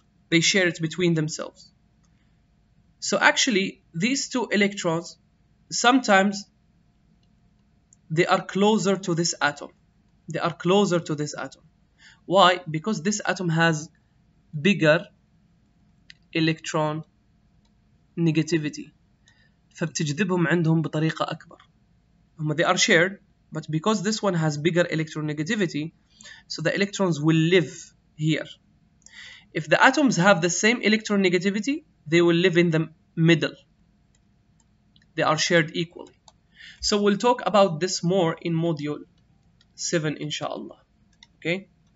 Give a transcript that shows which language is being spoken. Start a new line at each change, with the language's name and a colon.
English: They share it between themselves. So actually, these two electrons, sometimes they are closer to this atom. They are closer to this atom. Why? Because this atom has bigger electron negativity.
Arabic: فبتجذبهم عندهم بطريقة أكبر.
English: They are shared, but because this one has bigger electronegativity, so the electrons will live here. If the atoms have the same electronegativity, they will live in the middle. They are shared equally. So we'll talk about this more in module 7, inshallah. Okay?